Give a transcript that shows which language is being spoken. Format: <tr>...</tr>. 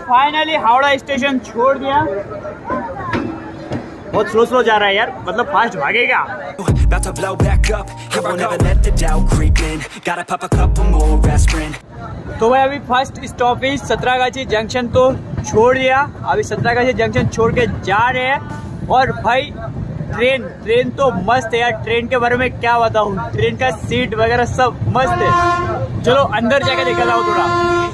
<hi>Finally Howrah station छोड़ दिया, बहुत स्लो स्लो जा रहा है यार, मतलब फास्ट भागेगा।</hi> <en>About to blow back up, here I'll never let the doubt creep in, gotta pop a couple more aspirin.</en> <hi>तो भाई अभी फर्स्ट स्टॉप है सतरागाछी जंक्शन, तो छोड़ दिया। अभी सतरागाछी जंक्शन छोड़ के जा रहे हैं। और भाई ट्रेन तो मस्त है यार, ट्रेन के बारे में क्या बताऊं, ट्रेन का सीट वगैरह सब मस्त है। चलो अंदर जाके निकल आओ थोड़ा।</hi>